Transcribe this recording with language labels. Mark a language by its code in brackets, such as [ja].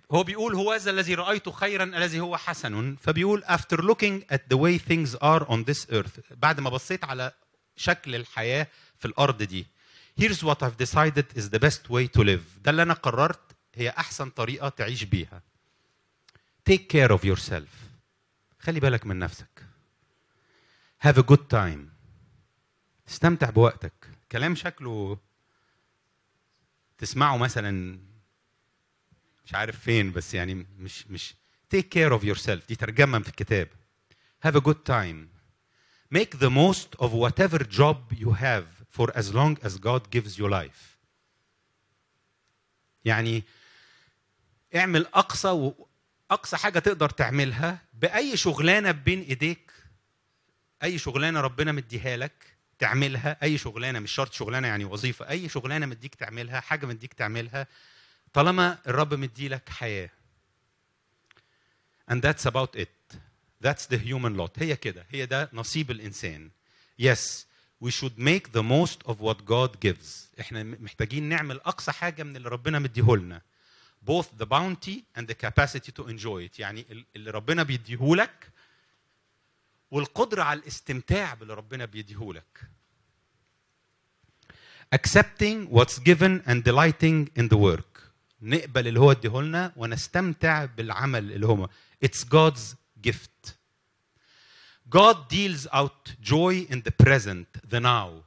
[ar] هو بيقول هو ذا الذي رأيته خيرا الذي هو حسن، فبيقول [en] after looking at the way things are on this earth، [ar] بعد ما بصيت على شكل الحياة في الأرض دي، [en] here's what I've decided is the best way to live، [ar] ده اللي أنا قررت هي أحسن طريقة تعيش بيها. [en] take care of yourself، [ar] خلي بالك من نفسك. [en] have a good time، [ar] استمتع بوقتك. كلام شكله تسمعه مثلا مش عارف فين، بس يعني مش [en] take care of yourself، [ar] دي ترجمة في الكتاب. [en] have a good time، make the most of whatever job you have for as long as God gives you life. [ar] يعني اعمل اقصى واقصى حاجة تقدر تعملها بأي شغلانة بين ايديك، اي شغلانة ربنا مديها لك تعملها، اي شغلانة مش شرط شغلانة يعني وظيفة، اي شغلانة مديك تعملها، حاجة مديك تعملها طالما الرب مدي لك حياة. [en] and that's about it، that's the human lot، [ar] هي كده، هي ده نصيب الإنسان. [en] yes we should make the most of what God gives، [ar] احنا محتاجين نعمل أقصى حاجة من اللي ربنا مديهولنا، [en] both the bounty and the capacity to enjoy it، [ar] يعني اللي ربنا بيديهولك [en] والقدرة على الاستمتاع باللي ربنا بيديهولك. accepting what's given and delighting in the work، [ar] نقبل اللي هو اديهولنا ونستمتع بالعمل اللي هما. [en] It's God's gift. God deals out joy in the present, the now.